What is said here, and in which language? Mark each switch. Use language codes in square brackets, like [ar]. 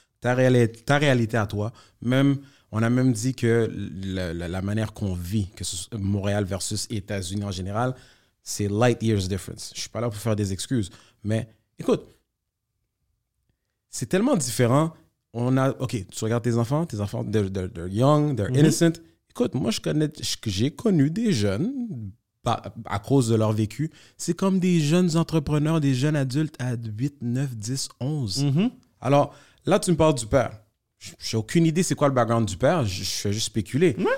[fr] Ta réalité à toi, même, on a même dit que la manière qu'on vit, que ce soit Montréal versus États-Unis en général, c'est [en] light years difference. [fr] Je ne suis pas là pour faire des excuses, mais écoute, c'est tellement différent... On a, OK, tu regardes tes enfants, [en] they're young, they're innocent. [fr] Écoute, moi, j'ai connu des jeunes, à cause de leur vécu, c'est comme des jeunes entrepreneurs, des jeunes adultes à 8, 9, 10, 11. Alors, là, tu me parles du père. J'ai aucune idée c'est quoi le background du père, je fais juste spéculer.